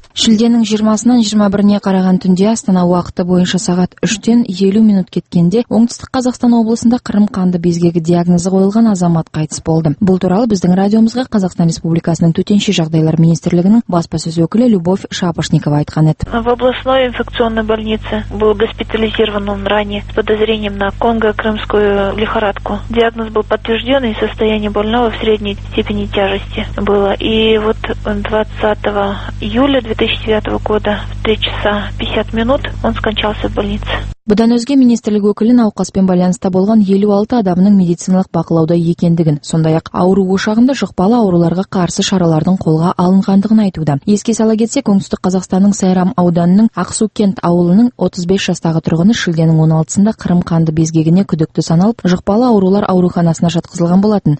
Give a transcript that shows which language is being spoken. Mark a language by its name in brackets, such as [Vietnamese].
[Kazakh] Шілденің 20-сынан 21-не қараған түнде Астана уақыты бойынша сағат 3-тен 50 минут кеткенде оңтүстік Қазақстан облысында қырым қанды безгегі диагнозы қойылған азамат қайтыс болды. Бұл туралы біздің радиомызға Қазақстан Республикасының төтенше жағдайлар министрлігінің баспасөз өкілі Любовь Шапошникова айтқан еді. [Russian] В областной инфекционной больнице был госпитализирован он ранее с подозрением на конго-крымскую лихорадку. Диагноз был подтвержден, и состояние больного в средней степени тяжести было. И вот 20 июля 2009 года в 3 часа 50 минут он скончался в больнице. [Kazakh] Бұдан өзге министрлік өкілі науқаспен байланыста болған 56 адамның медициналық бақылауда екендігін, сондай-ақ ауру ошағында жұқпалы ауруларға қарсы шаралардың қолға алынғандығын айтуда. Еске сала кетсек, оңтүстік Қазақстанның Сайрам ауданының Ақсу-Кент ауылының 35 жастағы тұрғыны шілденің 16-сында қырым қанды безгегіне күдікті саналып, жұқпалы аурулар ауруханасына жатқызылған болатын.